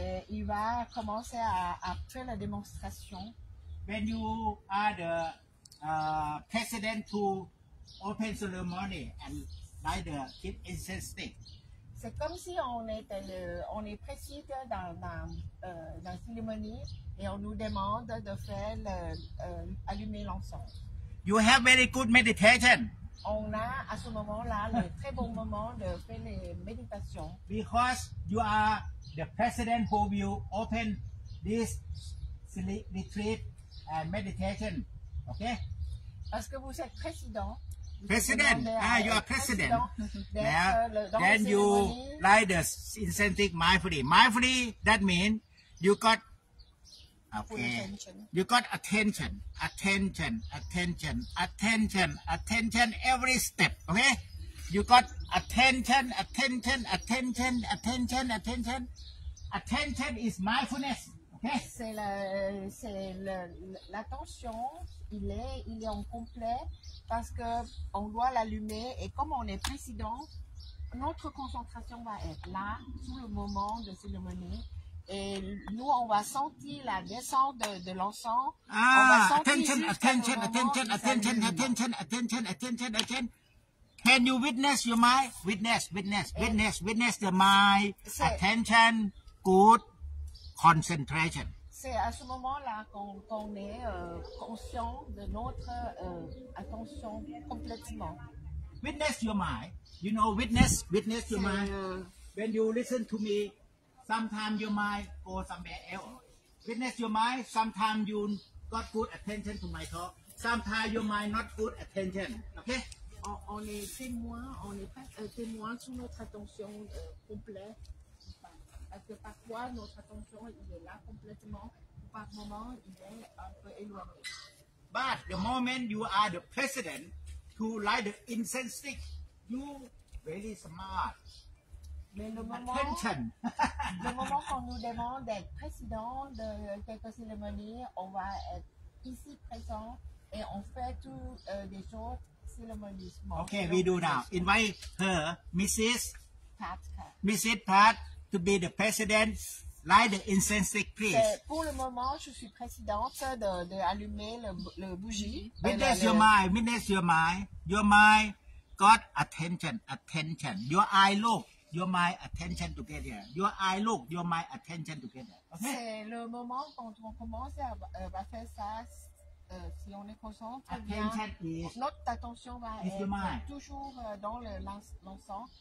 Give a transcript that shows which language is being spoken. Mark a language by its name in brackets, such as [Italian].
[French] Il va commencer à faire la démonstration. [English] When you are the president to open ceremony and light the keep incense stick. [French] C'est comme si on est président dans la cérémonie et on nous demande de faire allumer l'encens. [English] You have very good meditation. [French] On a à ce moment-là le très bon moment de faire les méditations. [English] Because you are the president who will open this retreat and meditation, okay? [French] Parce que vous êtes président. [English] President, you are president. Then you light the incense mindfully. Mindfully, that means you got attention every step, okay? You got attention is mindfulness, okay? [French] L'attention, il est en complet parce que on doit l'allumer et comme on est président, notre concentration va être là sous le moment de cérémonie. Et nous, on va sentir la descente de l'encens. [English] Attention. Can you witness your mind? Witness the mind. Attention, good concentration. [French] C'est à ce moment-là qu'on est conscient de notre attention complètement. [English] Witness your mind. You know, witness your mind. When you listen to me,Sometimes your mind go somewhere else. Witness your mind. Sometimes you got good attention to my talk. Sometimes your mind not good attention. Okay? [French] On est témoin. On est pas témoin sur notre attention complète. Parce que parfois notre attention il est là complètement. Par moment il est un peu éloigné. [English] But the moment you are the president to light the incense stick, you very smart. Attention. [French] Le moment qu'on nous demande d'être président de quelque cérémonie, on va être ici présent et on fait tout des choses cérémonieusement. [English] Okay, we do now. Invite her, Mrs. Pat. Mrs. Pat to be the president, light the incense stick, please. [French] Pour le moment, je suis présidente de allumer le bougie. [English] Witness your mind. Witness your mind. Your mind got attention. Attention. Your eye look. Your my attention together. Your eye look. Your my attention together. Okay. [French] C'est le moment quand on commence à faire ça. Si on est concentré, bien, notre attention va être toujours dans l'ensemble.